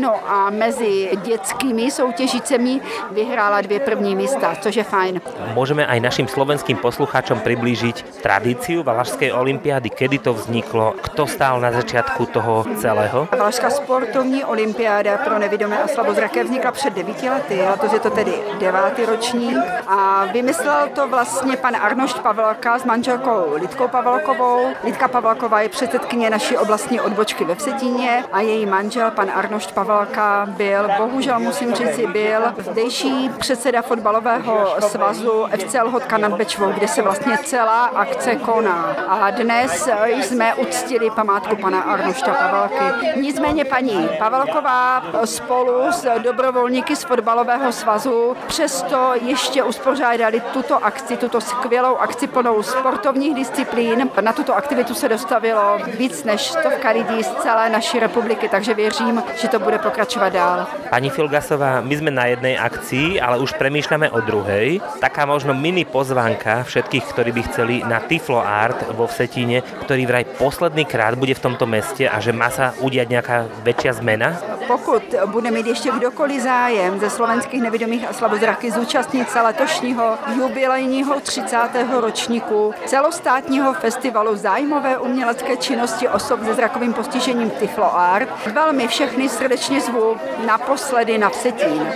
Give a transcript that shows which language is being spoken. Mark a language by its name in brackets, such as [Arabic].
[Czech] No a [Slovak] medzi detskými [Czech] soutěžicemi vyhrála dvě první místa, což je fajn. [Slovak] Môžeme aj našim slovenským poslucháčom priblížiť tradíciu Valašskej olympiády. Kedy to vzniklo? Kto stál na začiatku toho celého? [Czech] Valašská sportovní olympiáda pro nevidomé a slabozraké vznikla před 9 lety, a to je to tedy 9. ročník. A vymyslel to vlastně pan Arnošt Pavelka s manželkou Lidkou Pavelkovou. Lidka Pavelková je předsedkyně naší oblastní odbočky ve Vsetíně a její manžel pan Arnošt Pavelka byl, bohužel musím říct, byl zdejší předseda fotbalového svazu FC Lhotka nad Bečvou, kde se vlastně celá akce koná. A dnes jsme uctili památku pana Arnošta Pavelky. Nicméně paní Pavelková spolu s dobrovolníky z fotbalového svazu přesto ještě uspořádali tuto akci, tuto skvělou akci plnou sportovních disciplín. Na tuto aktivitu se dostavilo víc než 100 lidí z celé naší republiky, takže věřím, že to bude pokračovat dál. [Slovak] Pani Filgasová, my jsme na jednej akci, ale už premýšľame o druhej. Taká možno mini pozvánka všetkých, ktorí by chceli na Tiflo Art vo Vsetíne, ktorý vraj posledný krát bude v tomto meste a že má sa udiať nejaká väčšia zmena? [Czech] Pokud bude mít ještě kdokoliv zájem ze slovenských nevidomých a slabozraky zúčastnit se letošního jubilejního 30. ročníku celostátního festivalu zájmové umělecké činnosti osob se zrakovým postižením Tiflo Art, velmi všechny srdečně zvu naposledy na Vsetín.